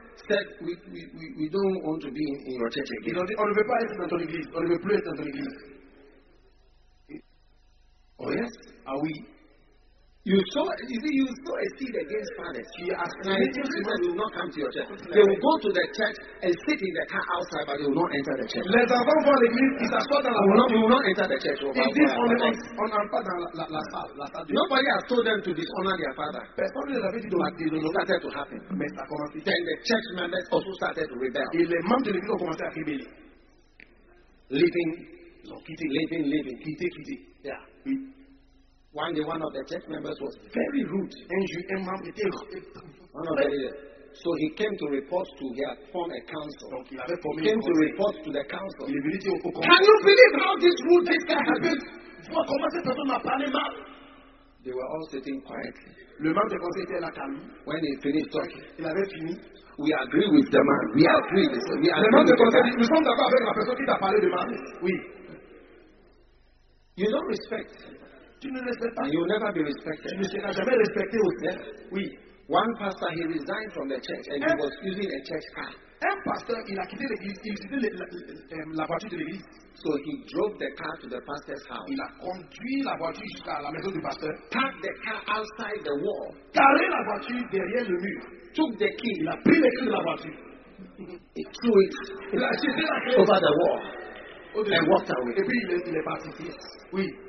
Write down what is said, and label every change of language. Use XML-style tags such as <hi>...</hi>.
<en>said we don't want to be in your church again.</en> <fr>Ils ont dit, on ne veut pas être dans ton église. On ne veut plus être dans ton église.</fr> <en>Oh yes? Are we? You saw a seed against fathers. He asked, now the children will not come to your church. They will go to the church and sit in the car outside, but they will not enter the church.</en> <fr>Les enfants vont à l'église, ils s'assoient dans la</fr> <en>salle. They will not enter the church.</en> <fr>Ils disent, on n'entre pas dans la salle.</fr> <en>Nobody has told them to dishonor their father.</en> <fr>Personne ne les avait dit de mentir.</fr> <en>It started to happen.</en> <fr>Mais ça a commencé.</fr> <en>Then the church members also started to rebel.</en> <fr>Et les membres de l'église ont commencé à rebeller.</fr> <en>Living,</en> <fr>quitter, quitter.</fr> <en>Yeah.</en> <fr>Oui.</fr> <en>One day, one of the church members was very rude. So he came to report to, he had formed a council. He came to report to the council. Can you believe how this rude this guy happened? They were all sitting quietly.</en> <fr>Le membre du conseil était là calme.</fr> <en>When he finished talking,</en> <fr>il avait fini.</fr> <en>We agree with the man. We agree with him.</en> <fr>Le membre du conseil dit, nous sommes d'accord avec la personne qui t'a parlé de mal. Oui.</fr> <en>You don't respect.</en> <fr>Tu ne respectes pas.</fr> <en>And you'll never be respected.</en> <fr>Tu ne seras jamais respecté aussi.</fr> <en>Yes.</en> <fr>Oui.</fr> <en>One pastor, he resigned from the church and he was using a church car.</en> <fr>Un pasteur, il a quitté l'église, il utilisait la voiture de l'église.</fr> <en>So he drove the car to the pastor's house.</en> <fr>Il a conduit la voiture jusqu'à la maison du pasteur.</fr> <en>Parked the car outside the wall.</en> <fr>Carré la voiture derrière le mur.</fr> <en>Took the key.</en> <fr>Il a pris les clés de la voiture.</fr> <en>He threw it.</en> <fr>Il a jeté la clé</fr> <en>over the wall. And walked away.</en> <fr>Et puis il est parti.</fr> <en>Yes.</en> <fr>Oui.</fr>